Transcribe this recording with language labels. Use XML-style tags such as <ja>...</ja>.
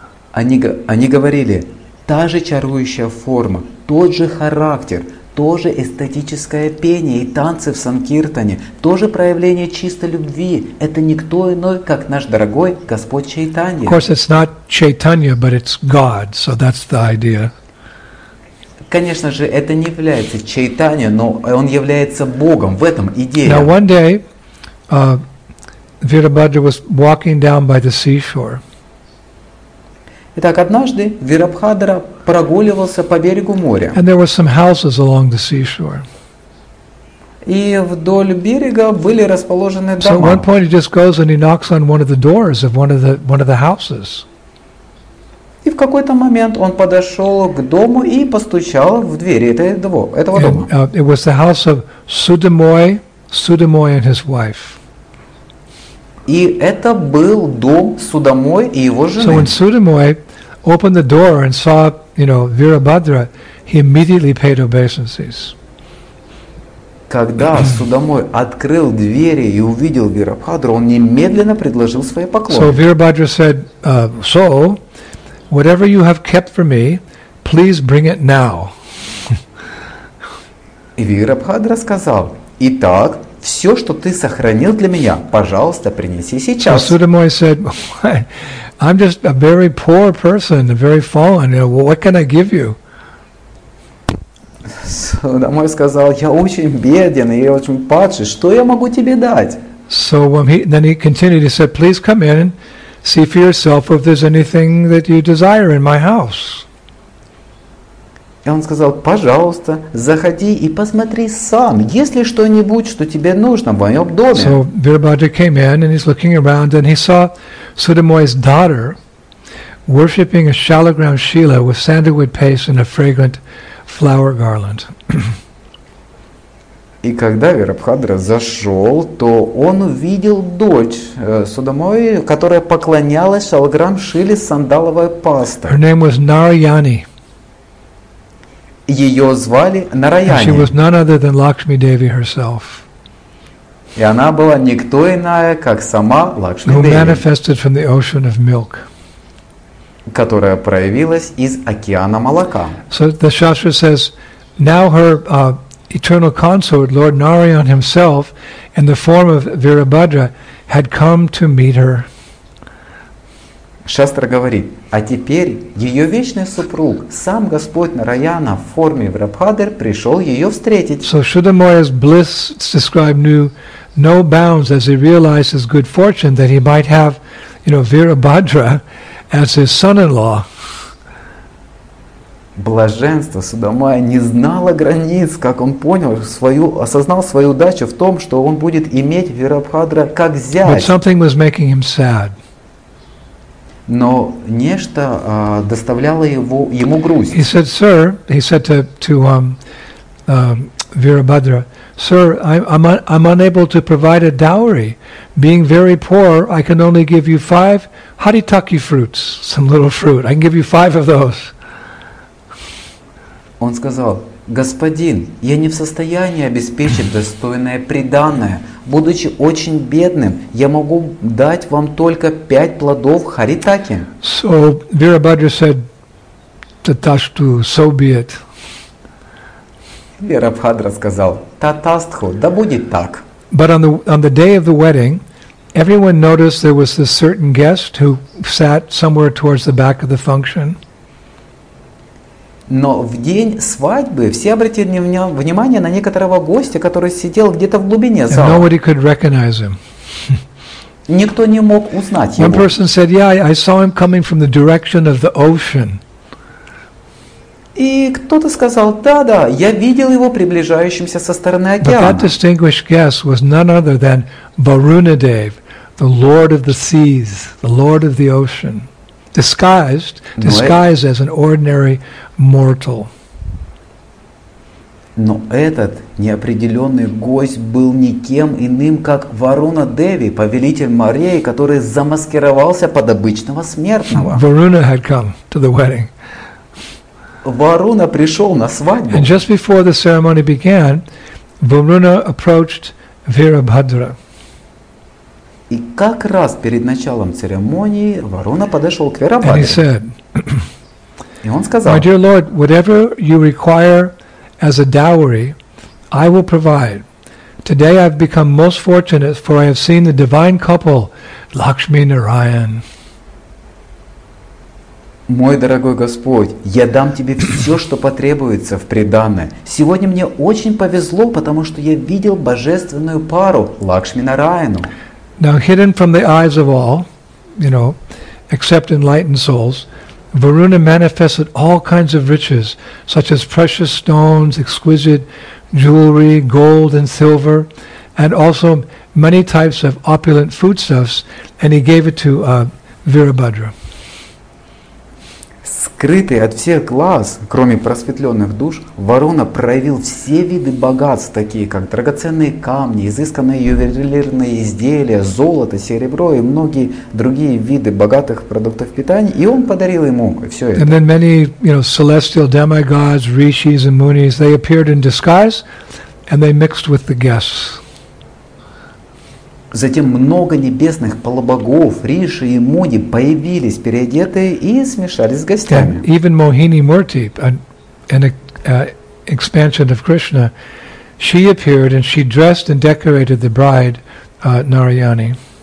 <ru>Они говорили, та же чарующая форма, тот же характер, то же эстетическое пение и танцы в Санкиртане, то же проявление чистой любви. Это никто иной, как наш дорогой Господь Чайтанья.</ru> <en>Of course, it's not Chaitanya, but it's God, so that's the idea.</en> <ru>Конечно же, это не является Чайтанья, но он является Богом. В этом идея.</ru> <en>Now one day, Virabhadra was walking down by the seashore.</en> <ru>Итак, однажды Вирабхадра прогуливался по берегу моря.</ru> <en>And there were some houses along the seashore.</en> <ru>И вдоль берега были расположены дома.</ru> <en>So at one point he just goes and he knocks on one of the doors of one of the houses.</en> <ru>И в какой-то момент он подошел к дому и постучал в дверь этого дома.</ru> <en>It was the house of Sudamoy and his wife.</en> <ru>И это был дом Судамой и его жены.</ru> <en>So when Sudamoy opened the door and saw, you know, Virabhadra, he immediately paid obeisances.</en> <ru>Когда Судамой открыл двери и увидел Вирабхадру, он немедленно предложил свои поклоны.</ru> <en>So Virabhadra said, "So, whatever you have kept for me, please bring it now."</en> <ru>И Вирабхадра сказал: "Итак, все, что ты сохранил для меня, пожалуйста, принеси сейчас."</ru> <en>So Судамой said, "I'm just a very poor person, a very fallen. You know, what can I give you?"</en> <ru>Судамой сказал: "Я очень беден, я очень падший. Что я могу тебе дать?"</ru> <en>So when he continued, he said, "Please come in and see for yourself if there's anything that you desire in my house."</en> <ru>И он сказал: "Пожалуйста, заходи и посмотри сам, есть ли что-нибудь, что тебе нужно в моем доме."</ru> <en>So Virabhadra came in and he's looking around and he saw Sudamoy's daughter worshiping a shallow ground shila with sandalwood paste and a fragrant flower garland.</en> <ru>И когда Вирабхадра зашел, то он увидел дочь Судамой, которая поклонялась шалограм шиле с сандаловой пастой.</ru> <en>Her name was Narayani.</en> <ru>Ее звали Нараяни.</ru> <en>She was none other than Lakshmi Devi herself.</en> <ru>И она была никто иная, как сама Лакшми Деви.</ru> <en>Who manifested from the ocean of milk.</en> <ru>Которая проявилась из океана молока.</ru> <en>So the Shastra says, now her eternal consort, Lord Narayan himself, in the form of Virabhadra, had come to meet her.</en> <ru>Шастра говорит, а теперь ее вечный супруг, сам Господь Нараяна в форме Вирабхадры, пришел ее встретить.</ru> <en>So Sudamoya's bliss described knew no bounds as he realized his good fortune that he might have, you know, Virabhadra as his son-in-law.</en> <ru>Блаженство Судамая не знало границ, как он понял свою, осознал свою удачу в том, что он будет иметь Вирабхадра как зять.</ru> <en>But something was making him sad.</en> <ru>Но нечто доставляло ему грусть.</ru> <en>He said, "Sir," he said Virabhadra, "Sir, I'm unable to provide a dowry. Being very poor, I can only give you 5 haritaki fruits, some little fruit. I can give you 5 of those."</en> <ru>Он сказал: "Господин, я не в состоянии обеспечить достойное приданое. Будучи очень бедным, я могу дать вам только 5 плодов харитаки."</ru> <en>So Virabhadra said, "Tatastu, so be it."</en> <ru>Вирабхадра сказал: "Татастху, да будет так."</ru> <en>But on the day of the wedding, everyone noticed there was this certain guest who sat somewhere towards the back of the function.</en> <ru>Но в день свадьбы все обратили внимание на некоторого гостя, который сидел где-то в глубине зала.</ru> <en>And nobody could recognize him.</en> <ru>Никто не мог узнать его.</ru> <en>One person said, "Yeah, I saw him coming from the direction of the ocean."</en> <ru>И кто-то сказал: "Да-да, я видел его приближающимся со стороны океана."</ru> <en>But that distinguished guest was none other than Varunadev, the lord of the seas, the lord of the ocean, disguised as an ordinary mortal.</en> <ru>Но этот неопределенный гость был никем иным, как Варуна Деви, повелитель морей, который замаскировался под обычного смертного.</ru> <en>Varuna had come to the wedding.</en> <ru>Варуна пришел на свадьбу.</ru> <en>And just before the ceremony began, Varuna approached Virabhadra.</en> <ru>И как раз перед началом церемонии Варуна подошел к Вирабхадре.</ru> <en>And he said,</en> <ru>и он сказал:</ru> <en>"My dear Lord, whatever you require as a dowry, I will provide. Today I've become most fortunate, for I have seen the divine couple, Lakshmi Narayan."</en> <ru>Мой дорогой Господь, я дам тебе все, что потребуется в приданое. Сегодня мне очень повезло, потому что я видел божественную пару Лакшми Нараяну.</ru> <en>Now hidden from the eyes of all, you know, except enlightened souls, Varuna manifested all kinds of riches, such as precious stones, exquisite jewelry, gold and silver, and also many types of opulent foodstuffs, and he gave it to Virabhadra.</en> <ru>Скрытый от всех глаз, кроме просветленных душ, Варуна проявил все виды богатств, такие как драгоценные камни, изысканные ювелирные изделия, золото, серебро и многие другие виды богатых продуктов питания, и он подарил ему все это.</ru> <en>And then many, you know, celestial demigods, rishis and munis, they appeared in disguise, and they mixed with the guests.</en> <ru>Затем много небесных полубогов, риши и муни появились переодетые и смешались с гостями.</ru> <en>And even Mohini Murti, an expansion of Krishna, she appeared and she dressed and decorated the bride Narayani.</en>